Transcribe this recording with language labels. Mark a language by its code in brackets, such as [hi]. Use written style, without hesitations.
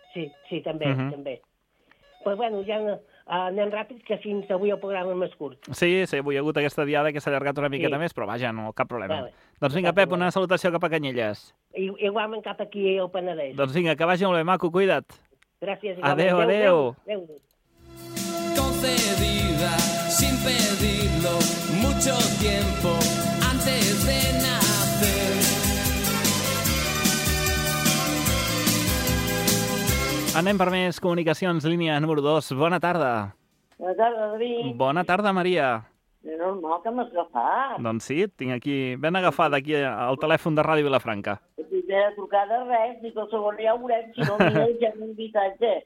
[ca] Sí, sí, també, també. Però bueno, ja... anem ràpid, que fins avui el programa és més curt. Sí, sí, avui hi ha hagut aquesta diada que s'ha allargat una miqueta, sí. Més, però vaja, no, cap problema. Vale. Doncs vinga, Pep, una salutació cap a Canyelles. Igualment cap aquí al Penedès. Doncs vinga, que vagi molt bé, maco, cuida't. Gràcies. Adéu, adéu. [es] Concedida, sin pedirlo, mucho tiempo antes de nacer. [ca] Anem per més comunicacions, línia número 2. Bona tarda. Bona tarda, David. Bona tarda, Maria. És normal que m'has agafat. Doncs sí, tinc aquí... Ben agafat aquí el telèfon de Ràdio Vilafranca. Sí, primera trucada, res, dic, el segon ja ho veurem, si no m'hi ja m'invitaig, eh?